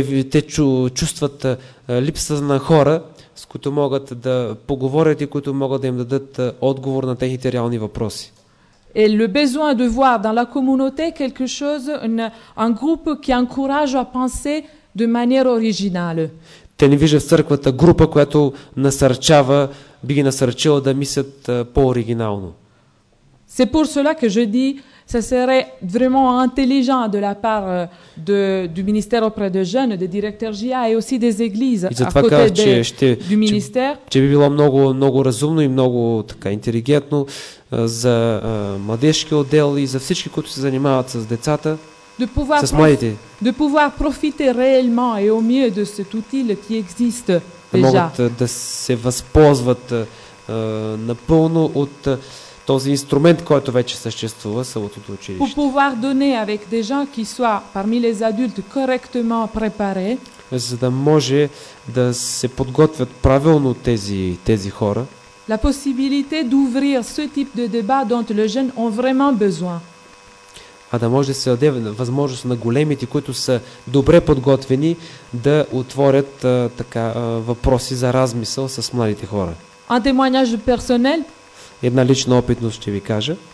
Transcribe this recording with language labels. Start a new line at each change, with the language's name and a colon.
Bulgarian: Те чувстват липса на хора, с които могат да поговорят и които могат да им дадат отговор на техните реални въпроси.
French: Et le besoin de voir dans la communauté quelque chose, un groupe qui encourage à penser de manière originale.
Bulgarian: Те не виждат в църквата група, която насърчава, би ги насърчила да мислят по-оригинално.
French: C'est pour cela que je dis, ça serait vraiment intelligent de la part du ministère auprès des jeunes, des directeurs GIA et aussi des églises à côté du ministère.
Bulgarian: Че би било много, много разумно и много така интелигентно за младежки отдел и за всички, които се занимават с децата, с младите.
French: De pouvoir profiter réellement et au mieux de cet outil qui existe déjà.
Bulgarian: Да могат да се възползват напълно от този инструмент, който вече съществува в самото училище.
French: Pour pouvoir donner avec des gens qui soient parmi les adultes correctement préparés.
Bulgarian: За да може да се подготвят правилно тези хора.
French: La possibilité d'ouvrir ce type de débat dont les jeunes ont vraiment besoin.
Bulgarian: А да може да се даде възможност на големите, които са добре подготвени, да отворят въпроси за размисъл с младите хора.
French: Un témoignage personnel.
Bulgarian: Една лична опитност ще ви кажа.